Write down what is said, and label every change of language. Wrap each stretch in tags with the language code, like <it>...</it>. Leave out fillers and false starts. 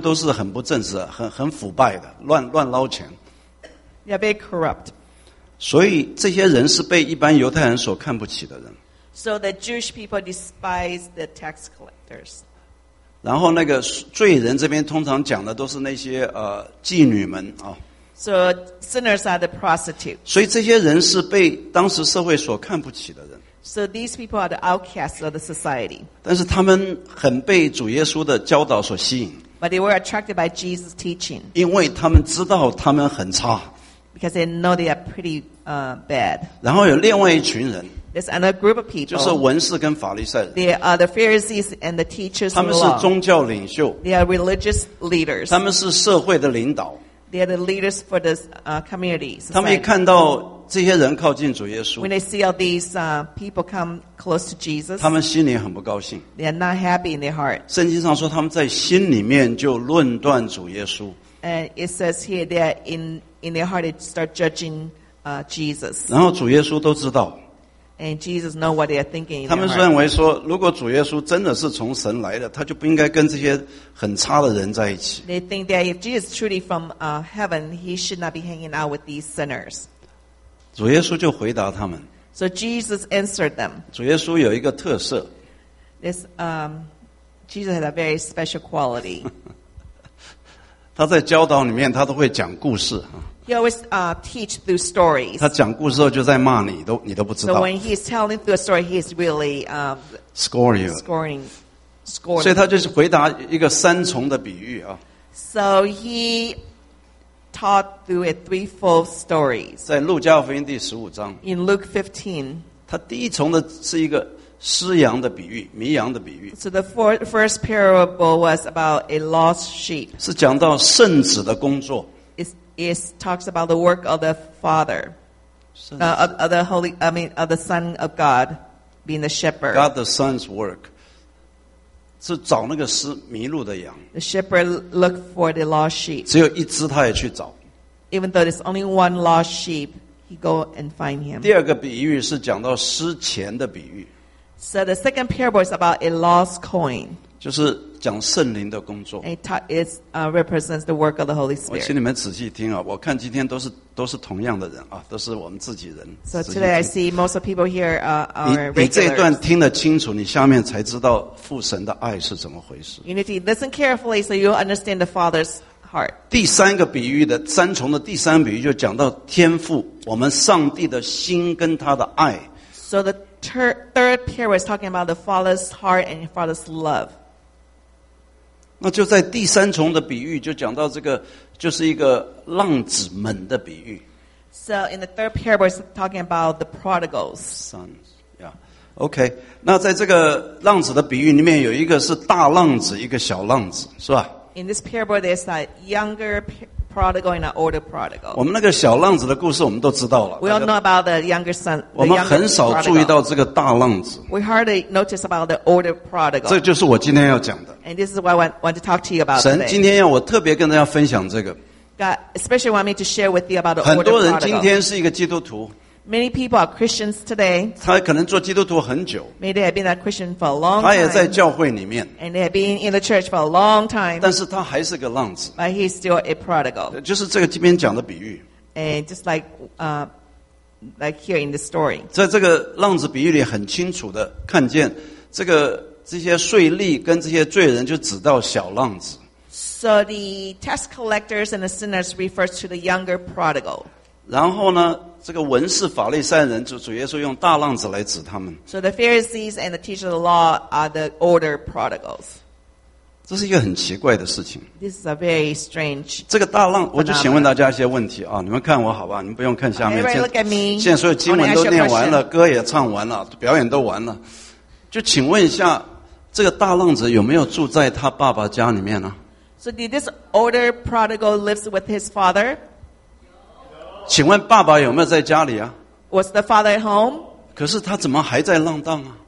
<zh>而且他们都是很不正直,很腐败的,乱捞钱。</zh> <en>They are very corrupt.</en> <zh>所以这些人是被一般犹太人所看不起的人。</zh> <en>So the Jewish people despise the tax collectors.</en> <zh>然后那个罪人这边通常讲的都是那些 妓女们,</zh> <en>So sinners are the prostitutes.</en> <zh>所以这些人是被当时社会所看不起的人。</zh> <en>So these people are the outcasts of the society.</en> <zh>但是他们很被主耶稣的教导所吸引。</zh> <en>But they were attracted by Jesus' teaching.</en> <zh>因为他们知道他们很差。</zh> <en>Because they know they are pretty bad.</en> <zh>然后有另外一群人。</zh> <en>There's another group of people.</en> <zh>就是文士跟法利赛人。</zh> <en>They are the Pharisees and the teachers of the law.</en> <zh>他们是宗教领袖。</zh> <en>They are religious leaders.</en> <zh>他们是社会的领导。</zh> <en>They are the leaders for the community. Society.</en> <zh>他们一看到这些人靠近主耶稣,</zh> <en>When they see all these people come close to Jesus,</en> <zh>他们心里很不高兴,</zh> <en>they are not happy in their heart.</en> <zh>圣经上说他们在心里面就论断主耶稣。</zh> <en>And it says here that in their heart they start judging Jesus.</en> <zh>然后主耶稣都知道,</zh> <en>And Jesus knows what they are thinking.</en> <zh>他们认为说，如果主耶稣真的是从神来的，他就不应该跟这些很差的人在一起。</zh> <en>They think that if Jesus is truly from heaven, he should not be hanging out with these sinners.</en> <zh>主耶稣就回答他们。</zh> <en>So Jesus answered them.</en> <zh>主耶稣有一个特色。</zh> <en>This Jesus had a very special quality.</en> <zh>他在教导里面，他都会讲故事。</zh> <en>He always teach through stories.</en> <zh>他讲故事就在骂你，你都不知道。</zh> <en>So when he's telling through a story, he's really scoring.</en> <zh>所以他就是回答一个三重的比喻啊。</zh> <en>So he taught through a threefold stories.</en> <zh>在路加福音第十五章。</zh> <en>In Luke 15.</en> <zh>他第一重的是一个失羊的比喻，迷羊的比喻。</zh> <en>So the first parable was about a lost sheep.</en> <zh>是讲到圣子的工作。</zh> <en>It talks about the work of the Father, of the Son of God, being the shepherd. God the Son's work.</en> <zh>是找那个失迷路的羊。</zh> <en>The shepherd looked for the lost sheep.</en> <zh>只有一只他也去找。</zh> <en>Even though there's only one lost sheep, he go and find him.</en> <zh>第二个比喻是讲到失钱的比喻。</zh> <en>So the second parable is about a lost coin.</en> <zh>就是讲圣灵的工作。</zh> <en>It represents the work of the Holy Spirit.</en> <zh>我请你们仔细听啊，我看今天都是同样的人啊，都是我们自己人。</zh> <en>So today I see most of people here are regular.</en> <zh>你这一段听得清楚，你下面才知道父神的爱是怎么回事。</zh> <en>You need to listen carefully so you understand the Father's heart.</en> <zh>第三个比喻的三重的第三个比喻就讲到天父，我们上帝的心跟他的爱。</zh> <en>So the third parable is talking about the Father's heart and Father's love.</en> <zh>那就在第三重的比喻就讲到这个就是一个浪子们的比喻。</zh> <en>So in the third parable, it's talking about the prodigals. Sons, yeah. Okay.</en> <zh>那在这个浪子的比喻里面有一个是大浪子一个小浪子是吧</zh> <en>?In this parable, there's a younger prodigal and an older prodigal.</en> <zh>我们那个小浪子的故事我们都知道了。</zh> <en>We all know about the younger son, the younger prodigal.</en> <zh>我们很少注意到这个大浪子。</zh> <en>We hardly notice about the older prodigal.</en> <zh>这就是我今天要讲的。</zh> <en>And this is what I want to talk to you about today.</en> <zh>神今天要我特别跟大家分享这个。</zh> <en>God especially want me to share with you about the older</en> <zh>prodigal. 很多人今天是一个基督徒。</zh> <en>Many people are Christians today.</en> <zh>他可能做基督徒很久。</zh> <en>Maybe they have been a Christian for a long time.</en> <zh>他也在教会里面。</zh> <en>And they have been in the church for a long time.</en> <zh>但是他还是个浪子。</zh> <en>But he's still a prodigal.</en> <zh>就是这个今天讲的比喻。</zh> <en>And just like here in the story.</en> <zh>在这个浪子比喻里很清楚的看见这个这些税吏跟这些罪人就指到小浪子。</zh> <en>So the tax collectors and the sinners refers to the younger prodigal.</en> <zh>然后呢这个文士法利赛人主耶稣用大浪子来指他们。</zh> <en>So the Pharisees and the teachers of the law are the older prodigals.</en> <zh>这是一个很奇怪的事情。</zh> <en>This is a very strange.</en> <zh>这个大浪我就请问大家一些问题啊，你们看我好吧，你们不用看下面。</zh> <en>Everybody look at me.</en> <zh>现在所有经文都念完了，歌也唱完了，表演都完了。就请问一下，这个大浪子有没有住在他爸爸家里面呢？</zh> <en>So did this older prodigal lives with his father?</en> <zh>请问爸爸有没有在家里啊</zh> <en>？Was the father at home？</en> <zh>可是他怎么还在浪荡啊</zh>